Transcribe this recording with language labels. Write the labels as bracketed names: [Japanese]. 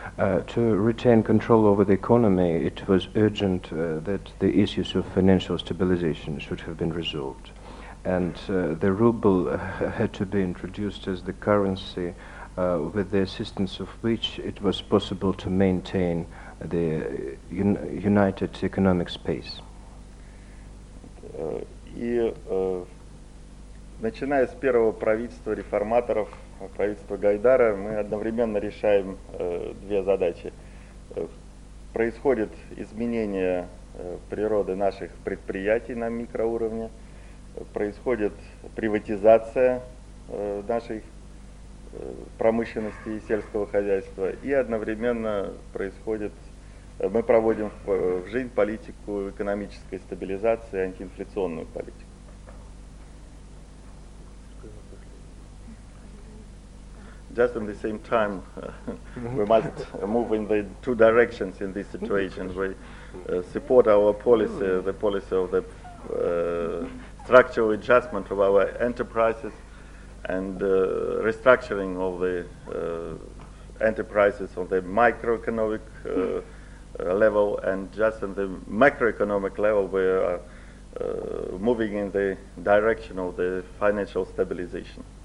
[English] To retain control over the economy, it was urgent that the issues of financial stabilization should have been resolved. And the ruble had to be introduced as the currency with the assistance of which it was possible to maintain the united economic space. [Russian] И начиная с первого правительства реформаторов, правительства Гайдара, мы одновременно решаем две задачи. Происходит изменение природы наших предприятий на микроуровне, происходит приватизация наших промышленности и сельского хозяйства, и одновременно происходит мы проводим в жизнь политику экономической стабилизации, антиинфляционную политику. [English] Just in the same time, we must move in the two directions in this situation. We support our policy, the policy of the structural adjustment of our enterprises and restructuring of the enterprises of the microeconomic level, and just in the macroeconomic level we are moving in the direction of the financial stabilization.